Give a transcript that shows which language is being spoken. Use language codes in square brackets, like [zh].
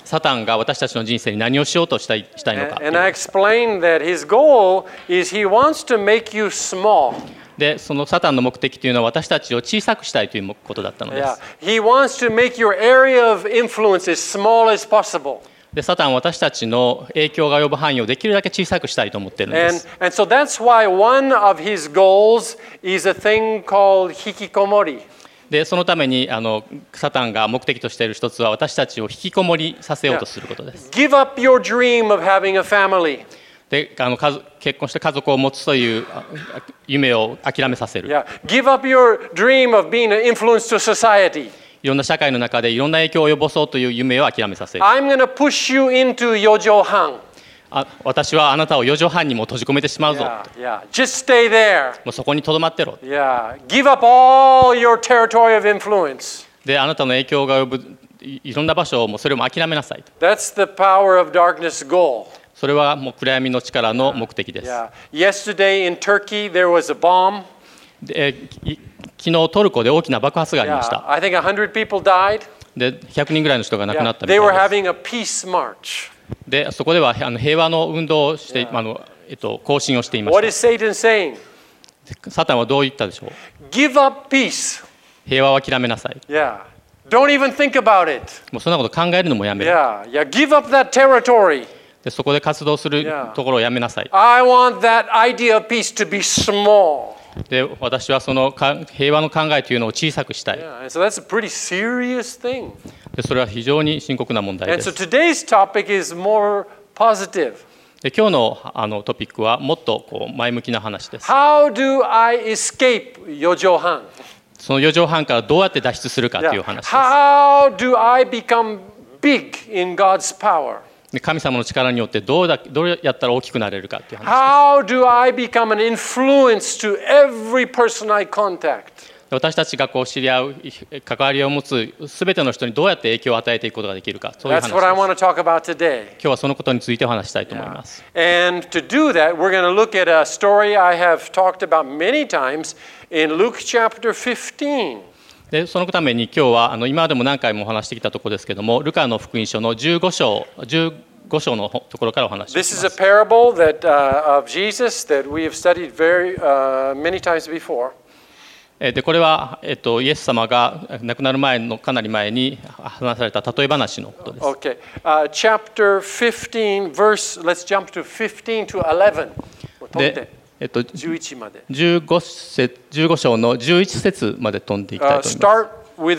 [ja] サタンが私たちの人生に何をしようとしたいのか。 [en] And I explained that his goal is he wants to make you small. [ja] で、そのサタンの目的というのは私たちを小さくしたいということだったのです。 [en] Yeah. He wants to make your area of influence as small as possible. [ja] でサタンは私たちの影響が及ぶ範囲をできるだけ小さくしたいと思っているんです。 [en] And so that's why one of his goals is a thing called hikikomori. [ja] でそのためにサタンが目的としている一つは私たちを引きこもりさせようとすることです。 [en] Give up your dream of having a family. [ja] で結婚して家族を持つという夢を諦めさせる。 [en] Yeah. Give up your dream of being an influence to society. [ja] いろんな社会の中でいろんな影響を及ぼそうという夢を諦めさせる。 [en] I'm going to push you into 四畳半。 [ja] 私はあなたを四畳半にも閉じ込めてしまうぞ。 [en] Yeah, yeah. Just stay there. [ja] もうそこにとどまってろ。 [en] Yeah. Give up all your territory of influence. [ja] であなたの影響が及ぶいろんな場所をもうそれも諦めなさい。 [en] That's the power of darkness goal. [ja] それはもう暗闇の力の目的です。 [en] Yeah. Yeah. Yesterday in Turkey there was a bomb. [ja] で昨日トルコで大きな爆発がありました。 [en] Yeah. I think 100 people died. [ja] で100人ぐらいの人が亡くなったみたいです。 [en] Yeah. They were having a peace march. [ja] でそこでは平和の運動をして、yeah. 行進をしていました。 [en] What is Satan saying? [ja] サタンはどう言ったでしょう。 [en] Give up peace. [ja] 平和を諦めなさい。 [en] Yeah. Don't even think about it. [ja] もうそんなこと考えるのもやめる。 [en] Yeah. Yeah. Give up that territory. [ja] でそこで活動するところをやめなさい。 [en] I want that idea of peace to be small. [ja] で私はその平和の考えというのを小さくしたい。 [en] Yeah. So that's a pretty serious thing. [ja] でそれは非常に深刻な問題です。 [en] And so today's topic is more positive. [ja] で今日のトピックはもっとこう前向きな話です。 [en] How do I escape 四畳半? [ja] その四畳半からどうやって脱出するかという話です。 [en] Yeah. How do I become big in God's power? [ja] で神様の力によってどうやったら大きくなれるかという話です。 [en] How do I become an influence to every person I contact? [ja] 私たちがこう知り合う関わりを持つ全ての人にどうやって影響を与えていくことができるか、そういう話です。 [en] That's what I want to talk about today. [ja] 今日はそのことについてお話したいと思います。 [en] Yeah. And to do that, we're going to look at a story I have talked about many times in Luke chapter 15. [ja] でそのために今日は今までも何回もお話してきたところですけれども、ルカの福音書の15章のところからお話します。 [en] This is a parable that, of Jesus that we have studied very, many times before. [ja] でこれは、イエス様が亡くなる前のかなり前に話された例え話のことです。 [en] Okay. Chapter 15, verse, let's jump to 15 to 11. [ja] で、 11まで。 15章の11節まで飛んでいきたいと思います。